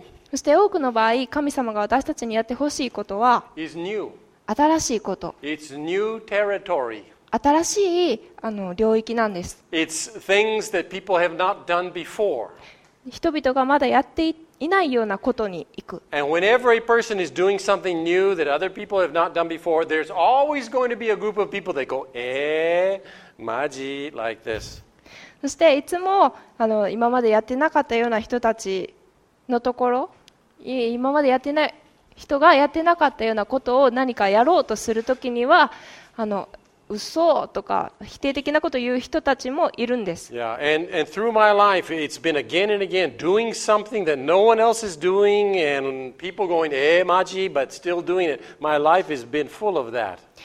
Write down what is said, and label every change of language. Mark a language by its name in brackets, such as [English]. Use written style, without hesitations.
[Japanese] そして多くの場合神様が私たちにやってほしいことは新しいこと、 [English] It's new territory. [Japanese] 新しい領域なんです。 [English] It's things that people have not done before. [Japanese] 人々がまだやっていないようなことに行く。 [English] And whenever a person is doing something new that other people have not done before, there's always going to be a group of people that go, [Japanese] マジ? [English] Like this. [Japanese] そしていつも今までやってなかったような人たちのところ、今までやってない人がやってなかったようなことを何かやろうとするときには嘘とか否定的なことを言う人たちもいるんです。 [English] Yeah, and through my life, it's been again and again doing something that no one else is doing, and people going, [Japanese] マジ? [English] But still doing it. My life has been full of that.